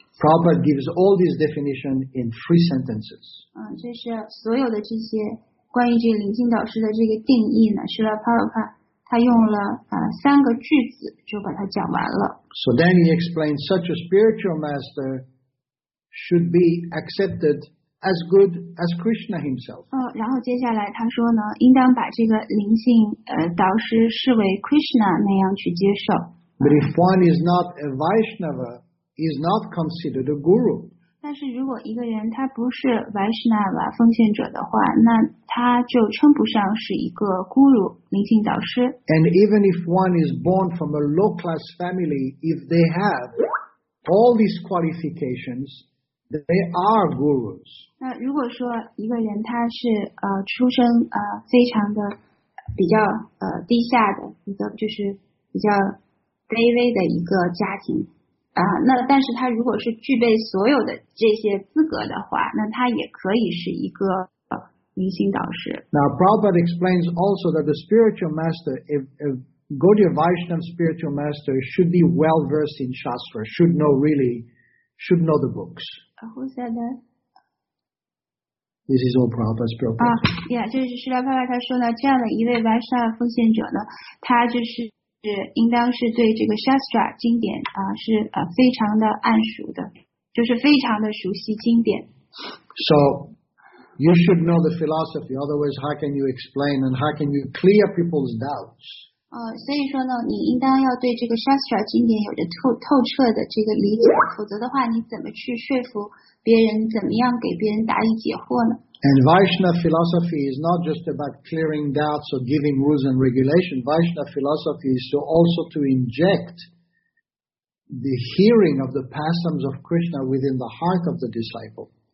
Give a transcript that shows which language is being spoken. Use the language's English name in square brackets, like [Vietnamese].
[English] Prabhupada gives all these definitions in three sentences. [Chinese] 这是所有的这些关于这个灵性导师的这个定义呢，是来啪啪啪。他用了三个句子就把它讲完了。 [English] So then he explains such a spiritual master should be accepted as good as Krishna himself. [Chinese] 然后接下来他说呢，应当把这个灵性导师视为 Krishna 那样去接受。 [English] But if one is not a Vaishnava, is not considered a guru. [Chinese] 但是如果一个人他不是 Vaishnava 奉献者的话，那他就称不上是一个 guru 灵性导师。 [English] And even if one is born from a low class family, if they have all these qualifications, they are gurus. [Chinese] 那如果说一个人他是出生非常的比较低下的一个，就是比较卑微的一个家庭。那但是他如果是具备所有的这些资格的话，那他也可以是一个灵性导师。 [English] Now Prabhupada explains also that the spiritual master, if Gaudiya Vaishnava spiritual master should be well versed in Shastra, should know the books. Who said that? This is all Prabhupada's Prabhupada. [Chinese] Yeah, 就是Srila Prabhupada 他说呢，这样的一位 Vaishnava 奉献者呢，他就是。应当是对这个 Shastra 经典是非常的谙熟的，就是非常的熟悉经典。 [English] So you should know the philosophy, otherwise how can you explain and how can you clear people's doubts? [Chinese] 所以说呢，你应当要对这个 Shastra 经典有着透彻的这个理解，否则的话，你怎么去说服别人，怎么样给别人答疑解惑呢？ [English] And Vaishnava philosophy is not just about clearing doubts or giving rules and regulations. Vaishnava philosophy is also to inject the hearing of the pastimes of Krishna within the heart of the disciple.